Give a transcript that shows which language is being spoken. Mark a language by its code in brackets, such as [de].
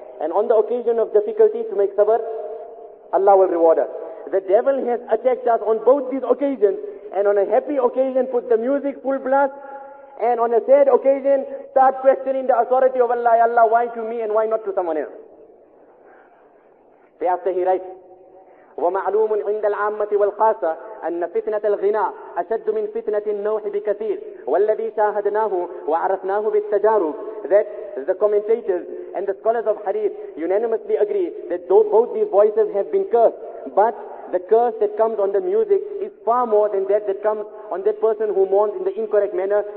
[en] And on the occasion of difficulty, to make sabr, Allah will reward us. The devil has attacked us on both these occasions, and on a happy occasion, put the music full blast, and on a sad occasion, start questioning the authority of Allah, Allah, why to me and why not to someone else? Thereafter he writes, [ar] ومعلوم عند العامة والخاصة أن فتنة الغناء أشد من فتنة النوح بكثير. والذي شاهدناه وعرفناه بالتجارب, [en] that the commentators and the scholars of hadith unanimously agree that both these voices have been cursed, but the curse that comes on the music is far more than that that comes on that person who mourns in the incorrect manner.